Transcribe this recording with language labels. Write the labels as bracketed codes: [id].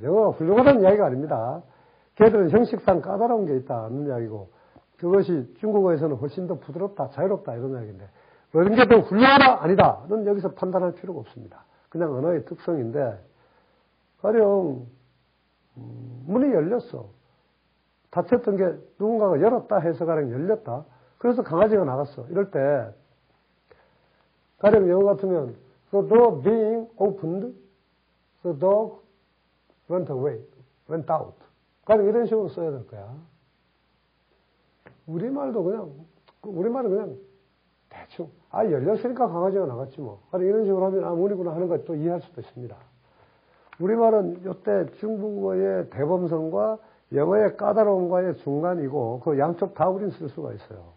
[ko] 영어가 훌륭하다는 이야기가 아닙니다. 걔들은 형식상 까다로운 게 있다는 이야기고 그것이 중국어에서는 훨씬 더 부드럽다, 자유롭다 이런 이야기인데 그런 게 더 훌륭하다, 아니다는 여기서 판단할 필요가 없습니다. 그냥 언어의 특성인데 가령 문이 열렸어. 닫혔던 게 누군가가 열었다 해서 가령 열렸다. 그래서 강아지가 나갔어. 이럴 때 가령 영어 같으면 [en] The door being opened, the dog went away, went out. [ko] 가령 이런 식으로 써야 될 거야. 우리말도 그냥, 우리말은 그냥 대충 아 열렸으니까 강아지가 나갔지 뭐. 가령 이런 식으로 하면 아 문이구나 하는 걸 또 이해할 수도 있습니다. 우리말은 이때 중국어의 대범성과 영어의 까다로움과의 중간이고 그 양쪽 다 우린 쓸 수가 있어요.